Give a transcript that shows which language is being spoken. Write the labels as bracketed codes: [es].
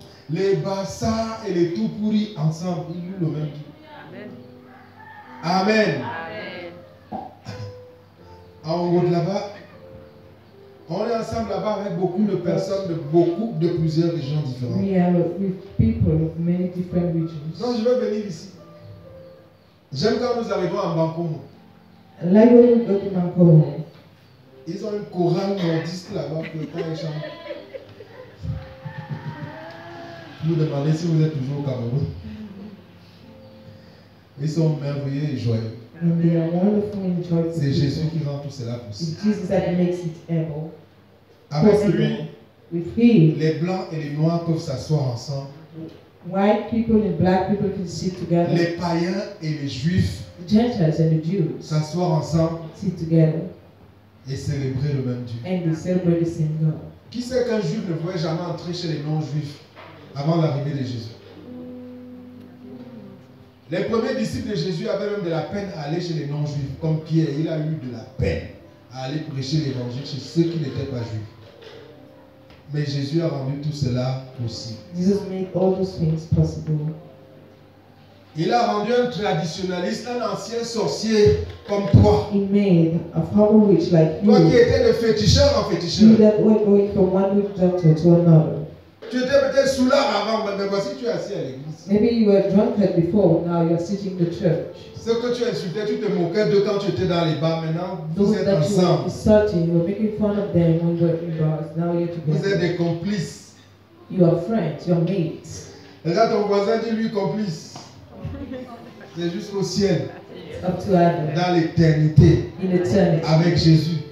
[fr] Les bassins et les tout pourris ensemble, ils louent le même Dieu. Amen. Amen. Amen. En haut de là-bas, on est ensemble là-bas avec beaucoup de personnes, de beaucoup, de plusieurs régions différentes. [en] We are with people of many different regions. [fr] Donc, je veux venir ici. J'aime quand nous arrivons à Bankomo. [en] Like when we go to Bankomo. [fr] Ils ont une chorale nordiste là-bas pour le temps des chants. Vous demandez si vous êtes toujours au Cameroun. Ils sont merveilleux et joyeux. [en] And they are wonderful and joyful. [fr] C'est Jésus qui rend tout cela possible. [en] It's Jesus that makes it able. [fr] Avec lui, [en] with him, [fr] les blancs et les noirs peuvent s'asseoir ensemble. [en] White people and black people can sit together. [fr] Les païens et les juifs. [en] The Gentiles and the Jews. [fr] S'asseoir ensemble. [en] Sit together. [fr] Et célébrer le même Dieu. [en] And they celebrate the same God. [fr] Qui sait qu'un juif ne pourrait jamais entrer chez les non-juifs avant l'arrivée de Jésus? Les premiers disciples de Jésus avaient même de la peine à aller chez les non-juifs, comme Pierre. Il a eu de la peine à aller prêcher l'évangile chez ceux qui n'étaient pas juifs. Mais Jésus a rendu tout cela possible. [en] Jesus made all those things possible. [fr] Il a rendu un traditionaliste, un ancien sorcier comme toi. [en] He made a former witch like [fr] toi [en] you. [fr] Toi qui étais le féticheur en féticheur. [en] You that were going from one witch doctor to another. [fr] Tu étais peut-être sous l'art avant, mais voici tu es assis à l'église. [en] Maybe you were drunk before, now you are sitting in the church. [fr] Ce que tu insultais, tu te moquais de quand tu étais dans les bars. Maintenant, vous [en] those [fr] êtes ensemble. [en] You were insulting, you were making fun of them when you were in bars. Now you're together. [fr] Vous êtes des complices. [en] You are friends, you are mates. [fr] Regarde ton voisin, dis-lui complice. C'est jusqu'au ciel. [en] Up to heaven. [fr] Dans l'éternité. [en] In eternity. [fr] Avec Jésus.